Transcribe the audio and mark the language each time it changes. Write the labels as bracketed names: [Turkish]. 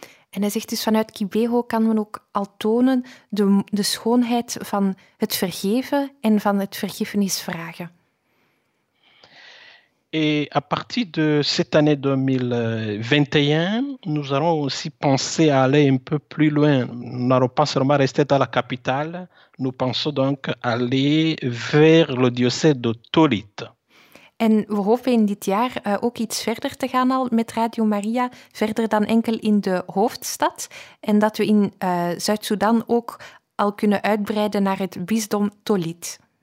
[Dutch] En hij zegt dus, vanuit Kibeho kan men ook al tonen de schoonheid van het vergeven en van het vergiffenis vragen. [French] Et à partir de cette année 2021, nous allons aussi penser à aller un peu plus loin. Nous n'allons pas seulement rester dans la capitale. Nous pensons donc aller vers le diocèse de Tolite. [Dutch] En we hopen in dit jaar ook iets verder te gaan al met Radio Maria, verder dan enkel in de hoofdstad. En dat we in Zuid-Soedan ook al kunnen uitbreiden naar het bisdom Tolite.